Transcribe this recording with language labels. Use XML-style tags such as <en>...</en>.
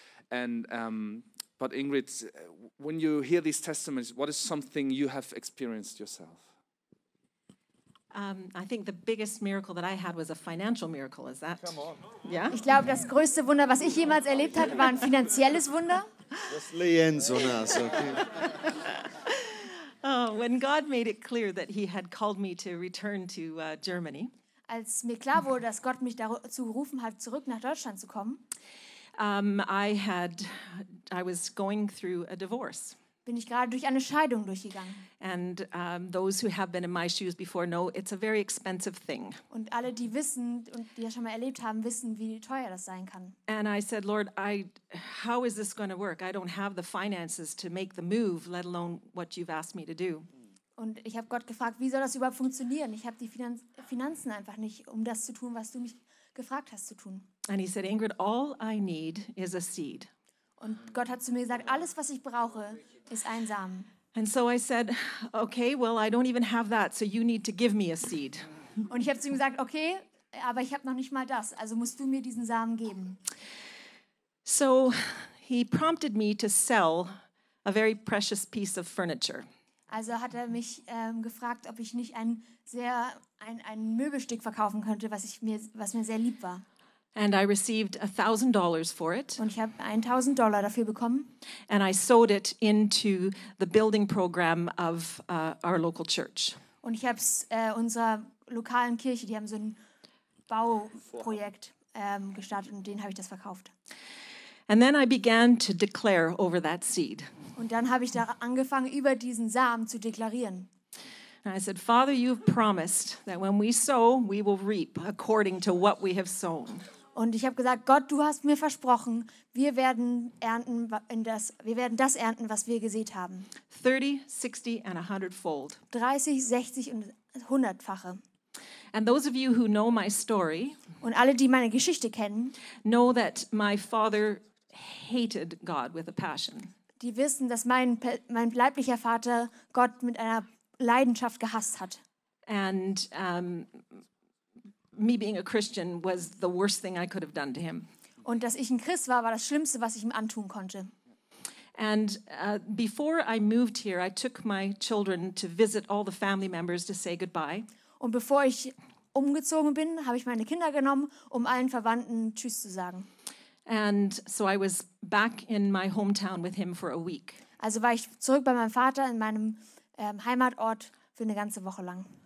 <en>But Ingrid, when you hear these testimonies, what is something you have experienced yourself? I think the biggest miracle that I had was a financial miracle. Is that? Come on. Yeah.</en> <de>Ich glaube, das größte Wunder, was ich jemals erlebt hatte, war ein finanzielles Wunder. Das Lienzonas.</de> <en>Oh, when God made it clear that He had called me to return to Germany.</en> <de>Als mir klar wurde, dass Gott mich dazu gerufen hat, zurück nach Deutschland zu kommen.</de> <en>I was going through a divorce.</en> <de>Bin ich gerade durch eine Scheidung durchgegangen.</de> <en>And those who have been in my shoes before know it's a very expensive thing.</en> <de>Und alle, die wissen und die das schon mal erlebt haben, wissen, wie teuer das sein kann.</de> <en>And I said, Lord, how is this going to work? I don't have the finances to make the move, let alone what you've asked me to do.</en> <de>Und ich habe Gott gefragt, wie soll das überhaupt funktionieren? Ich habe die Finanzen einfach nicht, um das zu tun, was du mich gefragt hast zu tun.</de> <en>And he said, Ingrid, all I need is a seed.</en> <de>Und Gott hat zu mir gesagt, alles, was ich brauche, ist ein Samen.</de> <en>And so I said, okay, well, I don't even have that, so you need to give me a seed.</en> <de>Und ich habe zu ihm gesagt, okay, aber ich habe noch nicht mal das, also musst du mir diesen Samen geben.</de> <en>So he prompted me to sell a very precious piece of furniture.</en> <de>Also hat er mich gefragt, ob ich nicht ein Möbelstück verkaufen könnte, was mir sehr lieb war.</de> <en>And I received $1,000 for it.</en> <de>Und ich habe $1,000 dafür bekommen.</de> <en>And I sewed it into the building program of our local church.</en> <de>Und ich habe es unserer lokalen Kirche, die haben so ein Bauprojekt gestartet, und denen habe ich das verkauft.</de> <en>And then I began to declare over that seed.</en> <de>Und dann habe ich da angefangen, über diesen Samen zu deklarieren.</de> <en>And I said, Father, you've promised that when we sow, we will reap according to what we have sown.</en> <de>Und ich habe gesagt, Gott, du hast mir versprochen, wir werden das ernten, was wir gesät haben.</de> <en>30, 60 and 100 fold.</en> <de>30, 60 und 100-fache.</de> <en>And those of you who know my story,</en> <de>und alle, die meine Geschichte kennen,</de> <en>know that my father hated God with a passion.</en> <de>Die wissen, dass mein leiblicher Vater Gott mit einer Leidenschaft gehasst hat.</de> <en>And me being a Christian was the worst thing I could have done to him.</en> <de>Und dass ich ein Christ war das Schlimmste, was ich ihm antun konnte.</de> <en>And before I moved here, I took my children to visit all the family members to say goodbye.</en> <de>Und bevor ich umgezogen bin, habe ich meine Kinder genommen, um allen Verwandten Tschüss zu sagen.</de> <en>And so I was back in my hometown with him for a week.</en> <de>Also war ich zurück bei meinem Vater in meinem Heimatort für eine ganze Woche lang.</de>